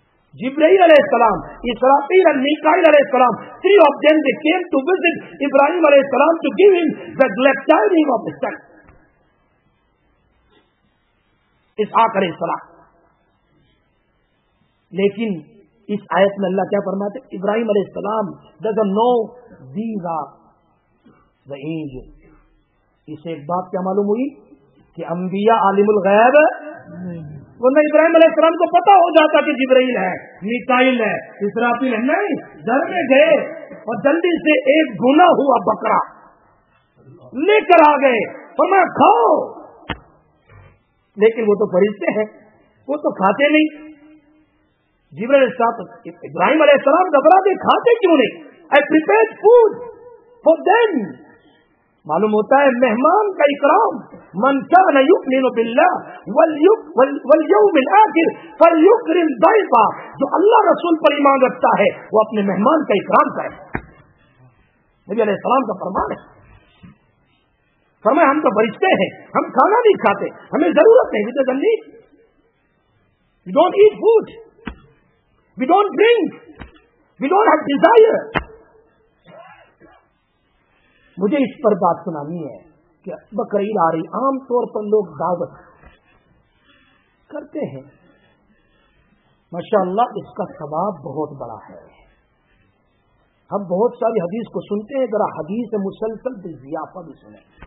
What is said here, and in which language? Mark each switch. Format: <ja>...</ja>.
<en>Jibreel alayhi salam, Israfil and Mikael alayhi salam, three of them, they came to visit Ibrahim alayhi salam to give him the glad tidings of the son. Ishaq alayhi salam.</en> <ur>Lekin, is ayat mein Allah kya farmate? Ibrahim alayhi salam</ur> <en>doesn't know these are the angels.</en> <ur>Is ek baat kya malum hui? Ki anbiya alimul ghaib ورنہ ابراہیم علیہ السلام کو پتا ہو جاتا کہ جبرائیل ہے میکائیل ہے اسرافیل ہے. نہیں, گھر میں گئے اور جلدی سے ایک گنا ہوا بکرا لے کر آ گئے. فرمایا کھاؤ, لیکن وہ تو فرشتے ہیں وہ تو کھاتے نہیں. جبرائیل علیہ السلام ابراہیم علیہ السلام گھبرا دے, کھاتے کیوں نہیں؟</ur> <en>I prepare food for them.</en> <ur>معلوم ہوتا ہے مہمان کا اکرام.</ur> <ar>من كان يؤمن بالله واليوم الآخر فليكرم ضيفا.</ar> <ur>جو اللہ رسول پر ایمان رکھتا ہے وہ اپنے مہمان کا اکرام کرے. نبی علیہ السلام کا فرمان ہے, فرمایا ہم تو فرشتے ہیں, ہم کھانا نہیں کھاتے, ہمیں ضرورت ہے.</ur> <en>We don't eat food, we don't drink, we don't have desire.</en> <ur>مجھے اس پر بات سنانی ہے کہ بقرعید آ رہی, عام طور پر لوگ دعوت کرتے ہیں, ماشاءاللہ اس کا ثواب بہت بڑا ہے. ہم بہت ساری حدیث کو سنتے ہیں, ذرا حدیث مسلسل بالضیافہ بھی سنیں.</ur>